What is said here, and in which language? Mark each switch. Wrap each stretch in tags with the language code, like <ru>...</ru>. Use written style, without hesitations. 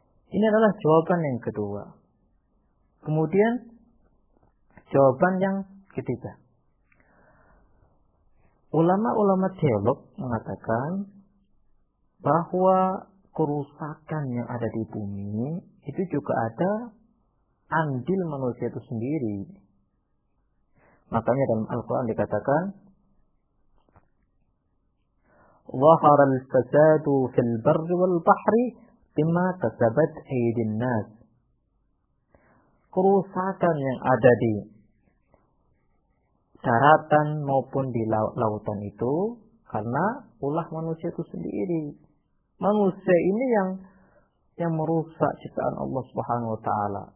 <id>Ini adalah jawaban yang kedua. Kemudian jawaban yang ketiga. Ulama-ulama teolog mengatakan bahwa kerusakan yang ada di bumi itu juga ada andil manusia itu sendiri. Makanya dalam Al-Quran dikatakan</id> <ar>ظهر الفساد في البر والبحر بما كسبت أيدي الناس.</ar> <id>Kerusakan yang ada di daratan maupun di lautan itu karena ulah manusia itu sendiri. Manusia ini yang merusak ciptaan Allah Subhanahu wa Ta'ala.</id>